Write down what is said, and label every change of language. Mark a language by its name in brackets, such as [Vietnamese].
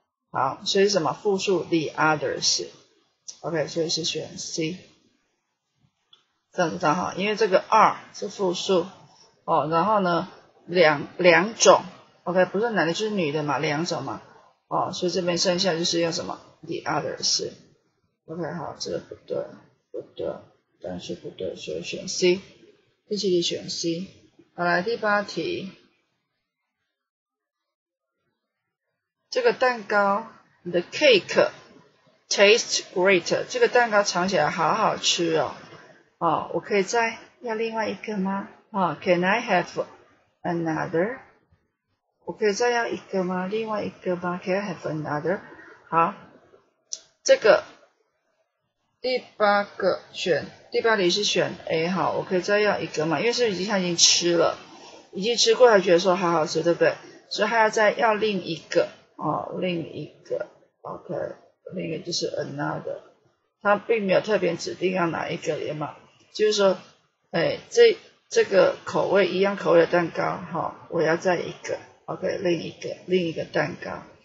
[Chinese] 好，所以什么复数 the others， OK，、okay, 所以是选 C，这样子刚好，因为这个二是复数，哦，然后呢两种，OK，不是男的，就是女的嘛，两种嘛，哦，所以这边剩下就是用什么 the others，OK，、okay, 好，这个不对，不对，但是不对，所以选 C，第七题选 C，好，来第八题。 [English] 这个蛋糕， the cake tastes great。 [Chinese] 这个蛋糕尝起来好好吃哦。哦，我可以再要另外一个吗？哦， Can I have another？我可以再要一个吗？ [English] 另外一个吗？ Can I have another？ [Chinese] 好，这个第八个选第八题是选 A 哈，我可以再要一个吗？因为是已经他已经吃了，已经吃过，他觉得说好好吃，对不对？所以他要再要另一个。哦，另一个，OK，另一个就是 another，它并没有特别指定要哪一个也嘛，就是说，哎，这个口味一样口味的蛋糕，好、哦，我要再一个，OK，另一个蛋糕，